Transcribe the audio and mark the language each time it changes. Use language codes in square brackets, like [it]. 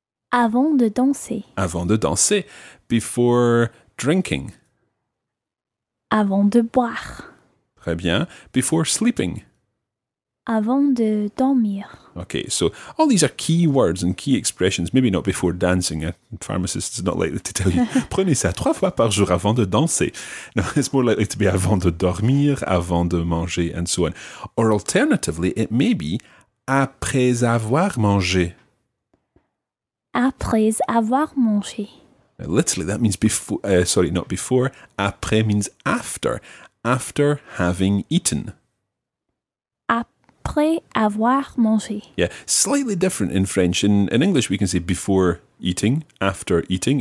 [fr] Avant de danser. Avant de danser. [en] Before drinking. [fr] Avant de boire. Très bien. [en] Before sleeping. [fr] Avant de dormir. [en] Okay, so all these are key words and key expressions. Maybe not before dancing. A pharmacist is not likely to tell you, [fr] prenez ça trois fois par jour avant de danser. [en] No, it's more likely to be [fr] avant de dormir, avant de manger, [en] and so on. Or alternatively, it may be [fr] après avoir mangé. Après avoir mangé. [en] Now, literally, that means before. Sorry, not before. Après means after. After having eaten. [fr] Après avoir mangé. [en] Yeah, slightly different in French. In English, we can say before eating, after eating.